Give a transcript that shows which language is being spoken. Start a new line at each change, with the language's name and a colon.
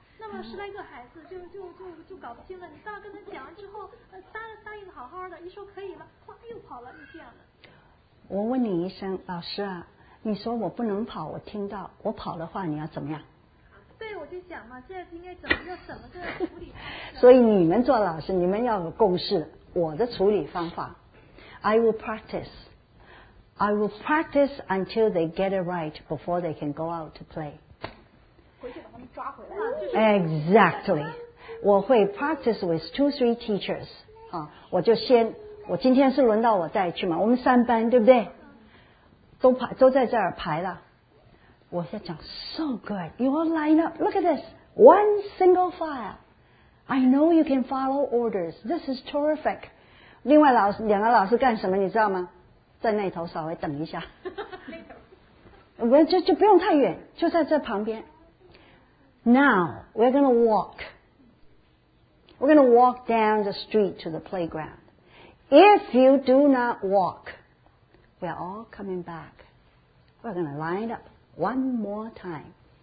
Chinese: 那么十来个孩子就搞不清了。你到跟他讲完之后，答应的好好的，一说可以了，哗又跑了，就这样的。我问你一声，老师啊。你说我不能跑，我听到我跑的话，你要怎么样？对，我就想嘛，现在应该怎么处理？所以你们做老师，你们要有共识。我的处理方法 ，
English: I will practice. I will practice until they get it right before they can go out to play.
Chinese: 回去把他们抓回来。
English: Exactly.
Chinese: 我会
English: practice with 2-3 teachers.
Chinese: 啊，我就先，我今天是轮到我带去嘛，我们三班，对不对？都在这儿排了，我在讲
English: so good, your lineup, look at this, one single file, I know you can follow orders, this is terrific.
Chinese: 另外老师两个老师干什么你知道吗？在那头稍微等一下，就不用太远，就在这旁边。
English: Now we're gonna walk, we're gonna walk down the street to the playground. If you do not walk,We are all coming back. We're going to line up one more time.